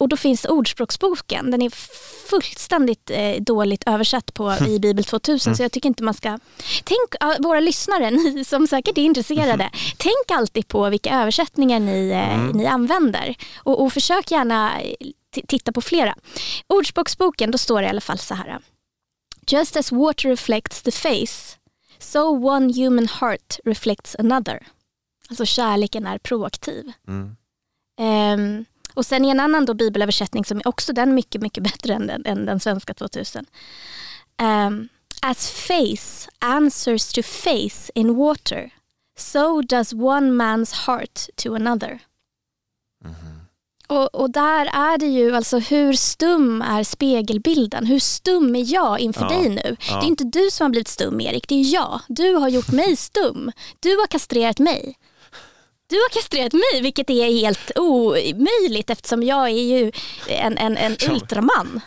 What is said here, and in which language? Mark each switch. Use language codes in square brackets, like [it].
[sv] Och då finns ordspråksboken. Den är fullständigt dåligt översatt på i Bibel 2000. Mm. Så jag tycker inte man ska... Tänk, våra lyssnare, ni som säkert är intresserade. Mm. Tänk alltid på vilka översättningar ni använder. Och försök gärna titta på flera. Ordspråksboken, då står det i alla fall så här... [en] Just as water reflects the face, so one human heart reflects another. [sv] Alltså kärleken är proaktiv. Mm. Och sen en annan då bibelöversättning som är också den mycket, mycket bättre än den svenska 2000. [en] As face answers to face in water, so does one man's heart to another. [sv] Och där är det ju, alltså hur stum är spegelbilden? Hur stum är jag inför dig nu? Ja. Det är inte du som har blivit stum, Erik, det är jag. Du har gjort mig stum. Du har kastrerat mig. Du har kastrerat mig, vilket är helt omöjligt eftersom jag är ju en ultraman.